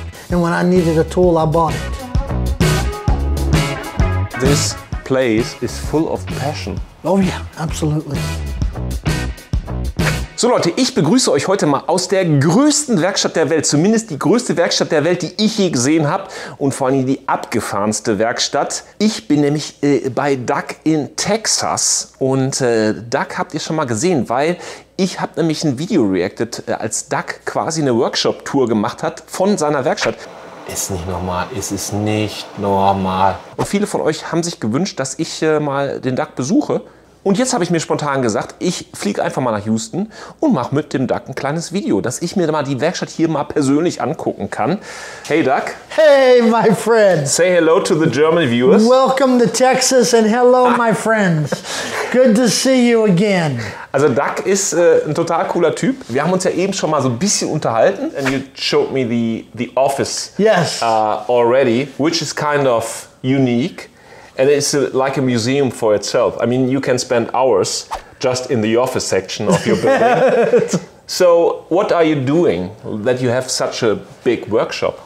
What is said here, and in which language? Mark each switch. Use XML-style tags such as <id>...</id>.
<en>And when I needed a tool, I bought it. This place is full of passion. Oh yeah, absolutely.</en> <de>So Leute, ich begrüße euch heute mal aus der größten Werkstatt der Welt, zumindest die größte Werkstatt der Welt, die ich je gesehen habe und vor allem die abgefahrenste Werkstatt. Ich bin nämlich bei Doug in Texas und Doug habt ihr schon mal gesehen, weil ich habe nämlich ein Video reacted, als Doug quasi eine Workshop-Tour gemacht hat von seiner Werkstatt. Ist nicht normal, es ist nicht normal. Und viele von euch haben sich gewünscht, dass ich mal den Doug besuche. Und jetzt habe ich mir spontan gesagt, ich fliege einfach mal nach Houston und mache mit dem Doug ein kleines Video, dass ich mir mal die Werkstatt hier mal persönlich angucken kann.</de> <en>Hey Doug. Hey my friend. Say hello to the German viewers. Welcome to Texas and hello my friends. Good to see you again.</en> <de>Also Doug ist ein total cooler Typ. Wir haben uns ja eben schon mal so ein bisschen unterhalten.</de> <en>And you showed me the office. Yes. Already, which is kind of unique. And it's like a museum for itself. I mean, you can spend hours just in the office section of your building. So what are you doing that you have such a big workshop?</en>